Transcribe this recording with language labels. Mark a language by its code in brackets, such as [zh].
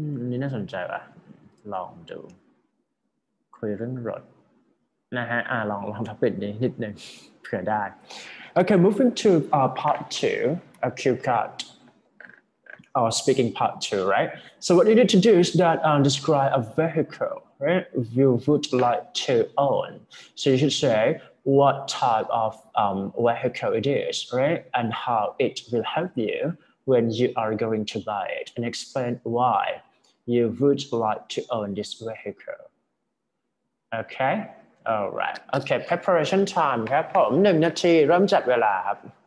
[th] นี่น่าสนใจป่ะลองดูคุยเรื่องรถนะฮะลองทับเป็ดนี้นิดนึงเผื่อได้โอเค [en] moving to part 2 of cue cardOur speaking part 2, right? So what you need to do is that describe a vehicle, right? You would like to own. So you should say what type of vehicle it is, right? And how it will help you when you are going to buy it. And explain why you would like to own this vehicle. Okay? All right. Okay, preparation time, [th] ครับผม1นาทีเริ่มจับเวลาครับ